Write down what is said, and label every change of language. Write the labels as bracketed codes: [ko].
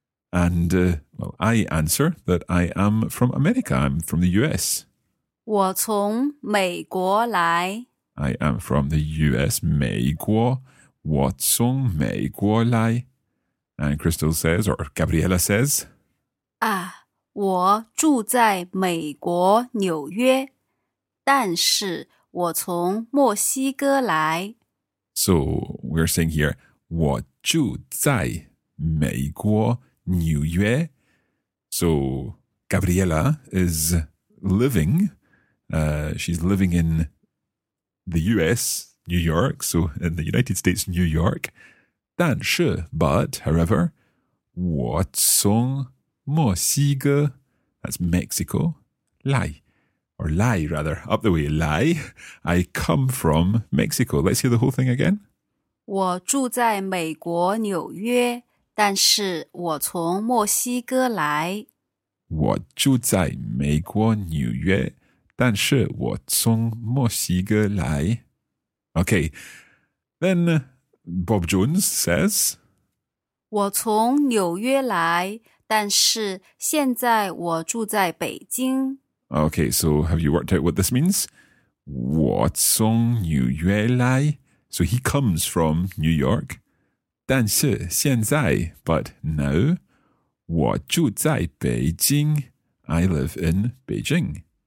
[en] And, I answer that I am from America. I'm from the US. [zh] 我从美国来。 [en] I am from the US, 美国。 [zh] 我从美国来。 [en] And Crystal says, or Gabriela says, [zh] 啊,我住在美国纽约,但是我从墨西哥来。 [en] So, we're saying here, [zh] 我住在美国纽约。 [en] So, Gabriela is living, she's living in the US, New York, so in the United States, New York. 但是, but, however, [zh] 我从墨西哥, [en] that's Mexico, 来, or 来 rather, up the way, 来, I come from Mexico. Let's hear the whole thing again. [zh] 我住在美国纽约。但是我从墨西哥来。我住在美国纽约，但是我从墨西哥来。 [en] Okay, then Bob Jones says, [zh] 我从纽约来，但是现在我住在北京。 [en] Okay, so have you worked out what this means? [zh] 我从纽约来。 [en] So he comes from New York. [zh] 但是现在, [en] but now, [zh] 我住在北京, [en] I live in Beijing.